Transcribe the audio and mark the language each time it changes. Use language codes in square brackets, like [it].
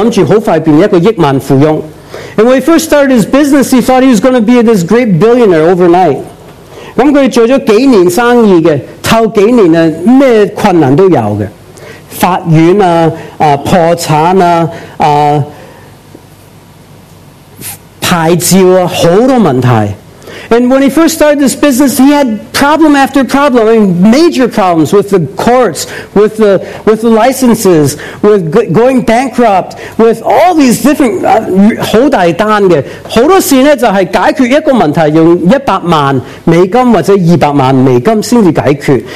[zh] 他初初的生意,他打算很快變成一個億萬富翁. [en] And when he first started his business, he thought he was going to be this great billionaire overnight. [zh] 他做了幾年生意,頭幾年,什麼困難都有的. 法院,破產, 牌照,很多問題. [en] And when he first started this business, he had problem after problem, I mean, major problems with the courts, with the licenses, with going bankrupt, with all these different [zh] 很大單的,很多事就是解決一個問題,用100萬美金或者200萬美金才解決.